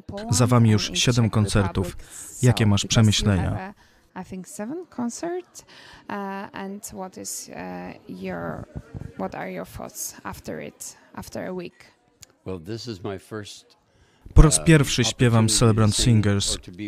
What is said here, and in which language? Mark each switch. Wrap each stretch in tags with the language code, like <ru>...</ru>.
<pl>Za wami już 7 koncertów. Jakie masz przemyślenia?</pl> <en>I think 7 concerts. And what is your what are your thoughts after it after a week? Well, this is my first.</en> <pl>Po raz pierwszy śpiewam Celebrant Singers.</pl>